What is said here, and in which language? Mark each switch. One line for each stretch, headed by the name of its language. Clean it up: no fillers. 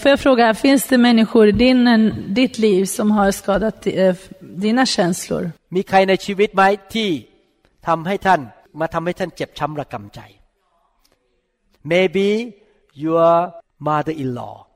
Swedish: Får jag fråga, finns det människor i ditt liv som har skadat dina känslor?
Thai: มีใครในชีวิตไหมที่ทำให้ท่านมาทำให้ท่านเจ็บช้ำระกำใจ?
English: Maybe your mother-in-law.